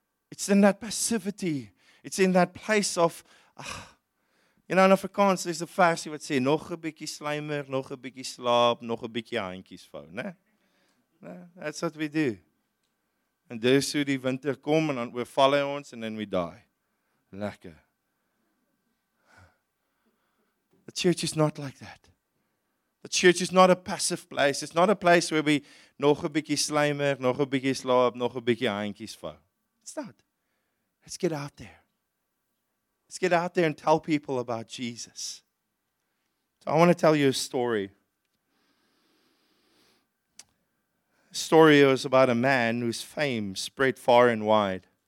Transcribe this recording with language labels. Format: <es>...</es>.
<en>It's in that passivity. It's in that place of, you know, in Afrikaans, there's a verse that says,</en> <af>nog 'n bietjie slymer, nog 'n bietjie slaap, nog 'n bietjie handjies vou, né?</af> <en>That's what we do. And</en> <af>dis hoe die winter kom,</af> <en>and then we fall on ons, and then we die. Lekker. The church is not like that. The church is not a passive place. It's not a place where we,</en> <af>nog 'n bietjie slymer, nog 'n bietjie slaap, nog 'n bietjie handjies vou.</af> <en>It's not. Let's get out there. Let's get out there and tell people about Jesus. So I want to tell you a story. The story is about a man whose fame spread far and wide.</en>